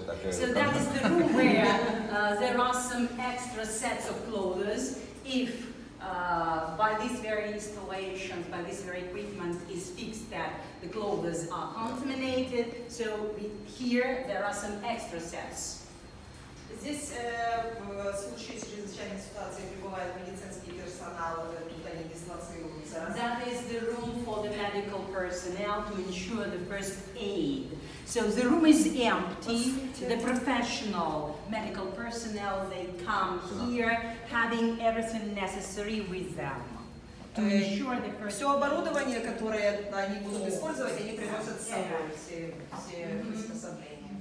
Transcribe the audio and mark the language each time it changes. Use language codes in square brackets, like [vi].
[en] So that is the room where there are some extra sets of clothes. If by these very installations, by this very equipment, is fixed that the clothes are contaminated, so here there are some extra sets. [ru] Здесь в случае чрезвычайной ситуации прибывает медицинский персонал, тут они дислоцируются. [en] That is the room for the medical personnel to ensure the first aid. So the room is empty. The professional medical personnel, they come here having everything necessary with them. To ensure the first aid. [ru] Все оборудование, которое они будут использовать, они привозят с собой, все приспособления.